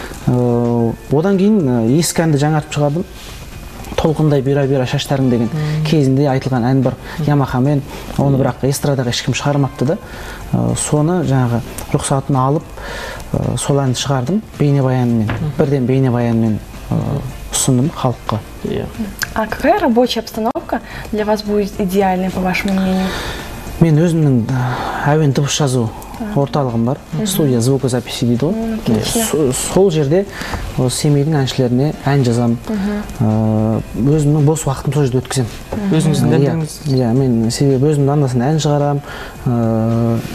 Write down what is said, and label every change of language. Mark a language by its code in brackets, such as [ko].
[kk] Одан кейін ескі әнді жаңартып шығардым. «Толқындай бира-бира шаштарың» деген кезінде айтылған ән бар Ямахамен. Оны бірақ эстрадаға ешкім шығармапты да. Соны жаңағы рұқсатын алып, сол әнді шығардым бейнебаянымен. Бірден бейнебаянымен ұсындым халыққа. [ru] А какая рабочая обстановка для вас будет идеальной, по вашему мнению? [kk] Мен өзімнің әуен дыбыс жазу орталығым бар. [ru] Студия звукозаписи [kk] дейді ғой. Сол жерде Семейдің әншілеріне ән жазамын. Өзімнің бос уақытымды сол жерде өткіземін. Өзіңіздің әндеріңіз? Иә, мен себебі өзімнің анасына ән шығарамын.